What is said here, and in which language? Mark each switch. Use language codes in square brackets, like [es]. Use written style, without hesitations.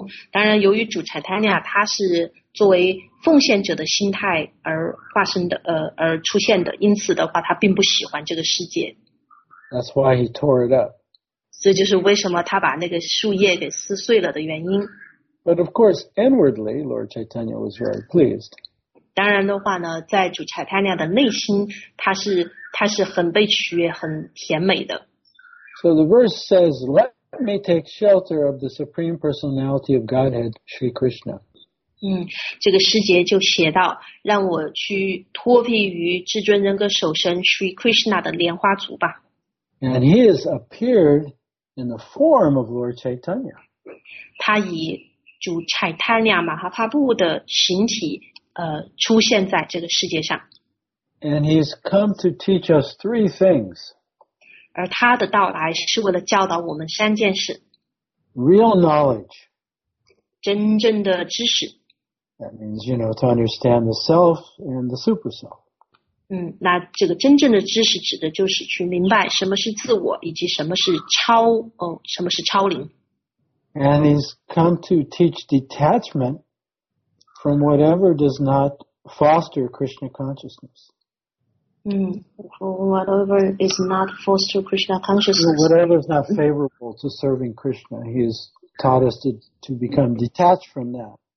[zh] 当然由于主 Chaitanya 他是作为奉献者的心态而化身的而出现的，因此的话他并不喜欢这个世界。 [en] That's why he tore it up. [zh] 这就是为什么他把那个树叶给撕碎了的原因。 [en] But of course, inwardly, Lord Chaitanya was very pleased. [zh] 当然的话呢，在主 Chaitanya 的内心，他是很被取悦、很甜美的。 [en] So the verse says, "Let me take shelter of the Supreme Personality of Godhead, Sri Krishna." [zh] 嗯，这个诗节就写到，让我去托庇于至尊人格首身 Sri Krishna 的莲花足吧。 [en] And he has appeared in the form of Lord Chaitanya. [zh] 他以主 Chaitanya 马哈帕布的形体，出现在这个世界上。 [en] And he's come to teach us three things. [zh] 而他的到来是为了教导我们三件事。 [en] Real knowledge. [zh] 真正的知识。 [en] That means, you know, to understand the self and the super self. [zh] 那这个真正的知识指的就是去明白什么是自我以及什么是超灵。 [en] And he's come to teach detachment from whatever does not foster Krishna consciousness. Whatever is not foster Krishna consciousness. Whatever is not favorable to serving Krishna, he's taught us to become detached from that.